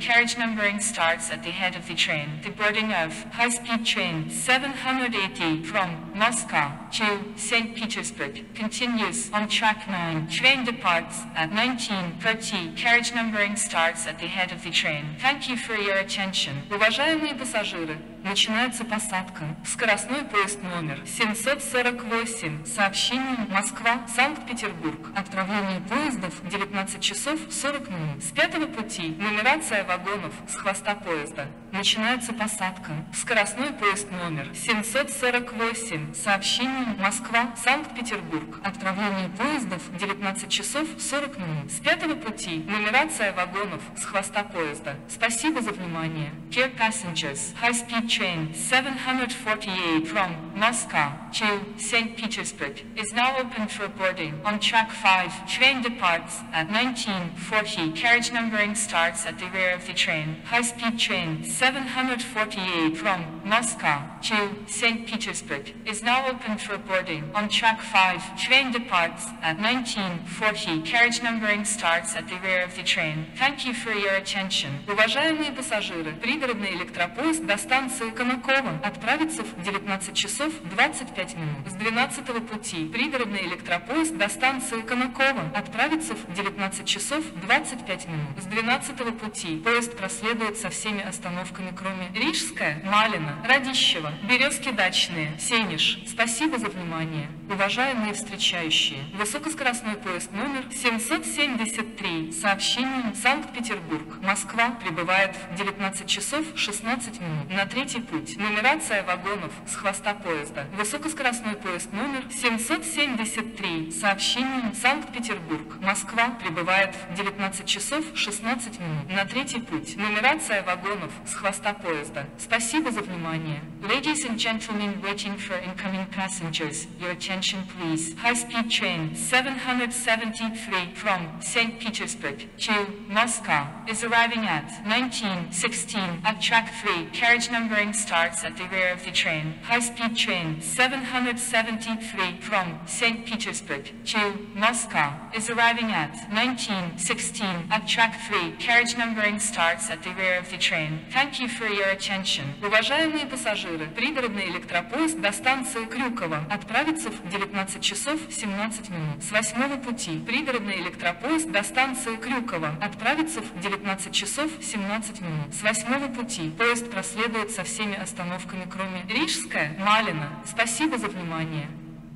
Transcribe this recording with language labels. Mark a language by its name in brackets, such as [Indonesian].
[English] Carriage numbering starts at the head of the train. The boarding of high-speed train 788 from Moscow to St. Petersburg continues on track 9. Train departs at 19:30. Carriage numbering starts at the head of the train. Thank you for your attention. [Russian] Уважаемые пассажиры, начинается посадка в скоростной поезд номер 748. Сообщение Москва-Санкт-Петербург. Отправление поездов 19 часов 40 минут. С 5-го пути нумерация вагонов с хвоста поезда. Начинается посадка в скоростной поезд номер 748. Сообщение Москва-Санкт-Петербург. Отправление поездов 19 часов 40 минут. С 5-го пути нумерация вагонов с хвоста поезда. Спасибо за внимание. [English] Dear passengers, high-speed train 748 from Moscow to St. Petersburg is now open for boarding on track 5. Train departs at 19:40. Carriage numbering starts at the rear of the train. High-speed train 748 from Moscow to St. Petersburg is now open for boarding on track 5. Train departs at 19:40. Carriage numbering starts at the rear of the train. Thank you for your attention. [Russian] Уважаемые пассажиры, пригородный электропоезд до станции Конаково отправится в 19 часов 25 минут. С 12-го пути пригородный электропоезд до станции Конаково отправится в 19 часов 25 минут. С 12-го пути поезд проследует со всеми остановками, кроме Рижская, Малина, Радищева, Березки Дачные, Сенеж. Спасибо за внимание. Уважаемые встречающие, высокоскоростной поезд номер 773, сообщение Санкт-Петербург, Москва, прибывает в 19 часов 16 минут на 3-й путь. Нумерация вагонов с хвоста поезда. Высокоскоростной поезд номер 773, сообщение Санкт-Петербург, Москва, прибывает в 19 часов 16 минут на 3-й путь. Нумерация вагонов с хвоста поезда. Спасибо за внимание. [English] Ladies and gentlemen waiting for incoming passengers, your attention please. High speed train 773 from St. Petersburg 35 to Moscow is arriving at 1916 at track 3. Carriage numbering starts at the rear of the train. High speed train 773 from St. Petersburg to Moscow is arriving at 1916 at track 3. Carriage numbering starts at the rear of the train. Thank you for your attention. [Russian] Уважаемые пассажиры, пригородный электропоезд до станции Крюково отправится в 19 часов 17 минут. С 8 пути пригородный электропоезд до станции Крюково отправится в 19 часов 17 минут. С 8 пути поезд проследует со всеми остановками, кроме Рижская, Малина. Спасибо за внимание.